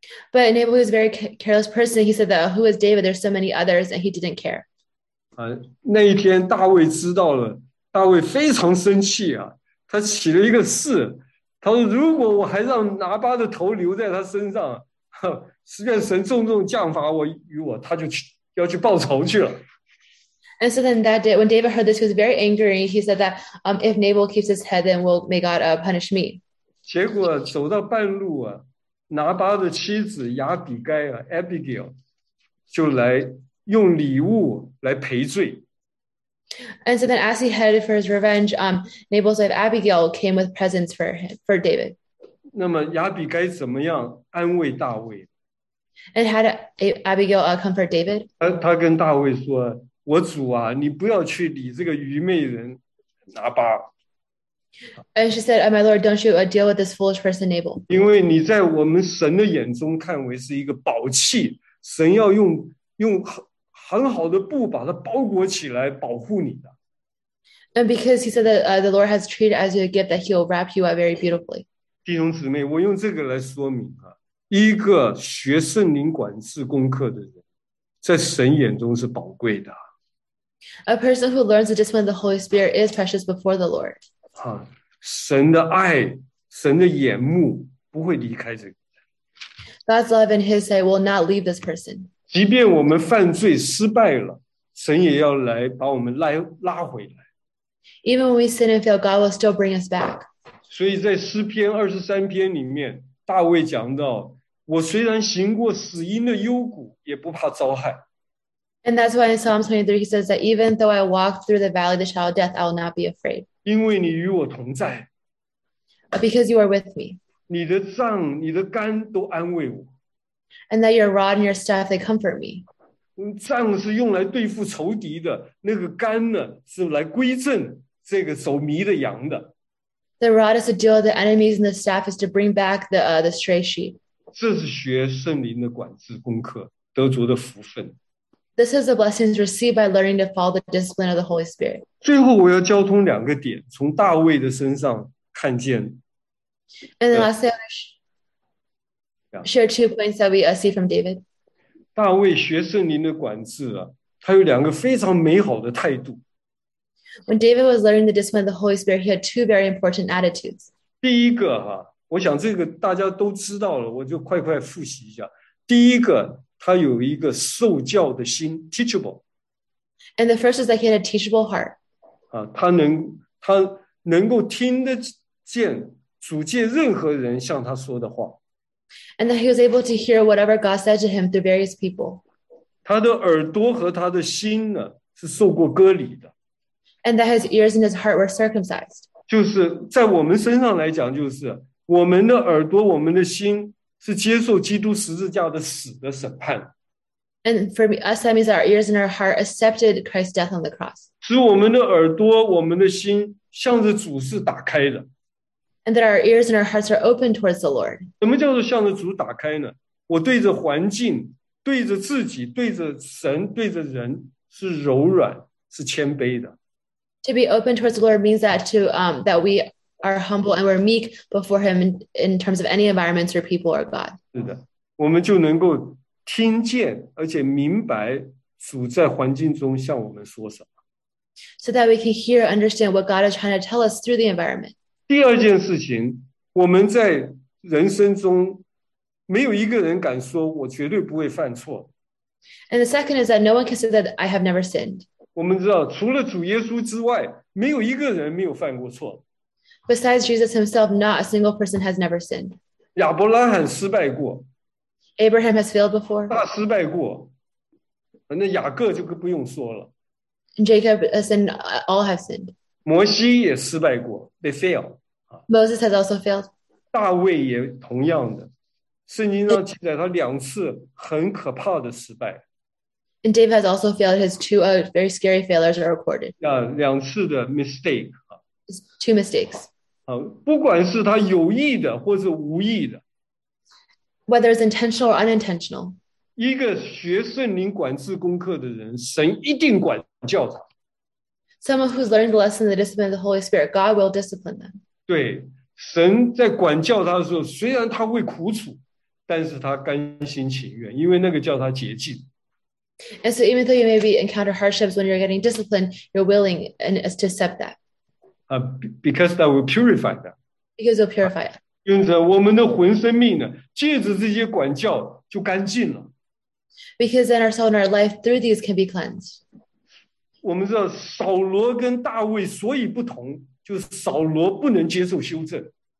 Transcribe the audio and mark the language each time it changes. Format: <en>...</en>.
<en>But Nabal was a very careless person. He said that who is David? There's so many others, and he didn't care.</en> <zh>那一天大卫知道了，大卫非常生气啊，他起了一个誓，他说如果我还让拿巴的头留在他身上，是愿神重重降罚我与我，他就去。要去报仇去了。</zh> <en>And so then that day, when David heard this, he was very angry. He said that if Nabal keeps his head, then will may God punish me.</en> <zh>结果走到半路啊，拿巴的妻子亚比该啊 ，Abigail 就来用礼物来赔罪。</zh> <en>And so then, as he headed for his revenge, Nabal's wife Abigail came with presents for David.</en> <zh>那么亚比该怎么样安慰大卫？</zh> <en>And had Abigail comfort David?</en> <zh>他跟大卫说，我主啊，你不要去理这个愚昧人拿巴。</zh> <en>And she said, my Lord, don't you deal with this foolish person, Nabal.</en> <zh>因为你在我们神的眼中看为是一个宝器，神要用很好的布把它包裹起来保护你的。</zh> <en>And because he said that the Lord has treated as a gift that he'll wrap you up very beautifully.</en> <zh>弟兄姊妹，我用这个来说明啊。一个学圣灵管制功课的人，在神眼中是宝贵的。</zh> <en>A person who learns the discipline of the Holy Spirit is precious before the Lord.</en> <zh>啊，神的爱，神的眼目不会离开这个。</zh> <en>God's love and His say will not leave this person.</en> <zh>即便我们犯罪失败了，神也要来把我们拉回来。</zh> <en>Even when we sin and fail, God will still bring us back.</en> <zh>所以在诗篇二十三篇里面，大卫讲到：“我虽然行过死荫的幽谷，也不怕遭害。”</zh> <en>And that's why in Psalm 23 he says that even though I walk through the valley of the shadow of death, I will not be afraid.</en> <zh>因为你与我同在。</zh> <en>Because you are with me.</en> <zh>你的杖、你的竿都安慰我。</zh> <en>And that your rod and your staff, they comfort me.</en> <zh>杖是用来对付仇敌的，那个竿呢，是来归正这个走迷的羊的。</zh> <en>The rod is to deal with the enemies, and the staff is to bring back the stray sheep.</en> <zh>这是学圣灵的管制功课，得着的福分。</zh> <en>This is the blessings received by learning to follow the discipline of the Holy Spirit.</en> <zh>最后我要交通两个点，从大卫的身上看见。</zh> <en>And then lastly, I'll share two points that we see from David.</en> <zh>大卫学圣灵的管制啊，他有两个非常美好的态度。</zh> <en>When David was learning the discipline of the Holy Spirit, he had two very important attitudes.</en> <zh>第一个啊，我想这个大家都知道了，我就快快复习一下。第一个，他有一个受教的心 ，teachable。</zh> <en>And the first is that he had a teachable heart.</en> <zh>啊，他能够听得见主借任何人向他说的话。</zh> <en>And that he was able to hear whatever God said to him through various people.</en> <zh>他的耳朵和他的心呢，是受过割礼的。</zh> <en>And that his ears and his heart were circumcised.</en> <zh>就是在我们身上来讲，就是我们的耳朵，我们的心是接受基督十字架的死的审判。</zh> <en>And for us, that means our ears and our heart accepted Christ's death on the cross.</en> <zh>使我们的耳朵，我们的心向着主是打开的。</zh> <en>And that our ears and our hearts are open towards the Lord.</en> <zh>怎么叫做向着主打开呢？我对着环境，对着自己，对着神，对着人，是柔软，是谦卑的。</zh> <en>To be open towards the Lord means that that we are humble and we're meek before Him in terms of any environments or people or God.</en> <zh>是的，我们就能够听见而且明白主在环境中向我们说什么。</zh> <en>So that we can hear and understand what God is trying to tell us through the environment.</en> <zh>第二件事情，我们在人生中没有一个人敢说我绝对不会犯错。</zh> <en>And the second is that no one can say that I have never sinned.</en> <zh>我们知道，除了主耶稣之外，没有一个人没有犯过错。</zh> <en>Besides Jesus himself, not a single person has never sinned.</en> <zh>亚伯拉罕失败过。</zh> <en>Abraham has failed before.</en> <zh>大失败过。那雅各就不用说了。</zh> <en>Jacob has sinned, all have sinned.</en> <zh>摩西也失败过，</zh> <en>they failed. Moses has also failed.</en> <zh>大卫也同样的。圣经上记载他两次很可怕的失败。</zh> <en>And David has also failed. His two very scary failures are recorded.</en> <zh>Yeah, 两次的 mistake.</zh> <en>Two mistakes.</en> <zh>不管是他有意的或者无意的。</zh> <en>Whether it's intentional or unintentional.</en> <zh>一个学圣灵管制功课的人，神一定管教他。</zh> <en>Someone who's learned the lesson of the discipline of the Holy Spirit, God will discipline them.</en> <zh>对，神在管教他的时候，虽然他会苦楚，但是他甘心情愿，因为那个叫他洁净。</zh> <en>And so even though you maybe encounter hardships when you're getting disciplined, you're willing and to accept that. Because that will purify them. Because it will purify it.</en> <zh>用着我们的魂生命呢，借着这些管教就干净了。</zh> <en>Because then our soul and our life through these can be cleansed.</en> <zh>我们知道扫罗跟大卫所以不同，就是扫罗不能接受修正。</zh>